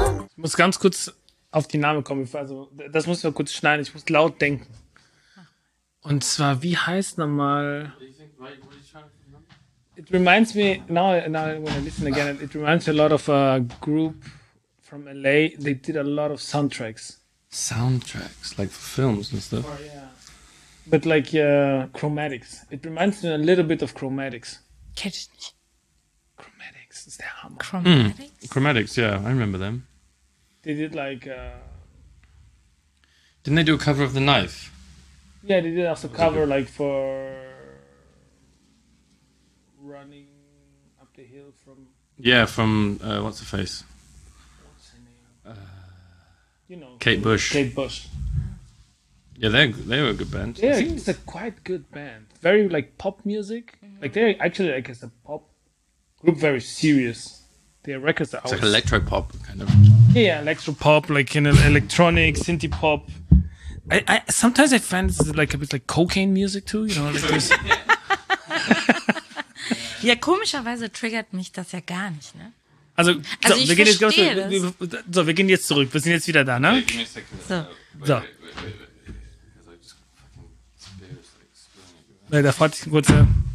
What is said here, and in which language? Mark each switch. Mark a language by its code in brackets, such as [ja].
[de] Ich muss ganz kurz auf die Namen kommen. Also, das muss ich mal kurz schneiden. Ich muss laut denken. Und zwar, wie heißt nochmal? [en] It reminds me, now when I listen again, it reminds me a lot of a group from LA. They did a lot of soundtracks. Soundtracks? Like for films and stuff? Oh, yeah. But like Chromatics. It reminds me a little bit of Chromatics. Catch me. Chromatics is their hammer. Chromatics? Mm. Chromatics, yeah. I remember them. They did like Didn't they do a cover of The Knife? Yeah, they did also cover like for Running Up the Hill from What's her face? What's her name? You know, Kate Bush. Yeah, they were a good band. Yeah, it's a quite good band. Very like pop music. Mm-hmm. Like they're actually like as a pop group, very serious. Their records are it's like electro pop kind of. Yeah, electro pop, like in electronic, synthie pop. Sometimes I find this is like a bit like cocaine music too, you know. Like [de] ja, komischerweise triggert mich das ja gar nicht, ne? Also ich verstehe jetzt, so, wir gehen jetzt zurück. Wir sind jetzt wieder da, ne? Ja, so. Da freut sich ein kurzer.